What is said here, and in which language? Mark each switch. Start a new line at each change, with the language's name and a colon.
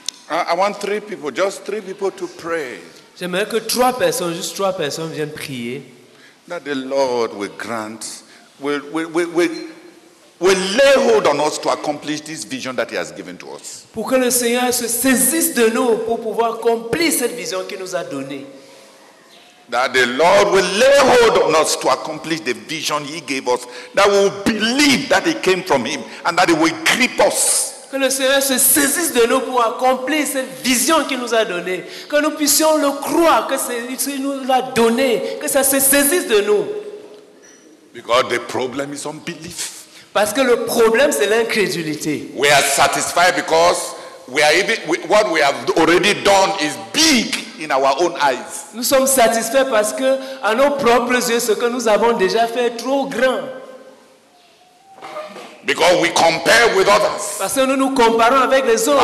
English: I want three people, just three people to pray.
French: J'aimerais que trois personnes, juste trois personnes viennent prier.
English: That the Lord will grant, will lay hold on us to accomplish this vision that he has given to us.
French: Pour que le Seigneur se saisisse de nous pour pouvoir accomplir cette vision qu'il nous a donnée.
English: That the Lord will lay hold on us to accomplish the vision he gave us, that we will believe that it came from him and that it will grip us.
French: Que le Seigneur se saisisse de nous pour accomplir cette vision qu'il nous a donnée. Que nous puissions le croire, que c'est qu'il nous l'a donné, que ça se saisisse de nous.
English: Because the problem is unbelief.
French: Parce que le problème, c'est l'incrédulité.
English: We are satisfied because we are even, what we have already done is big in our own eyes.
French: Nous sommes satisfaits parce que à nos propres yeux, ce que nous avons déjà fait est trop grand.
English: Because we compare with others.
French: Parce que nous nous comparons avec les autres.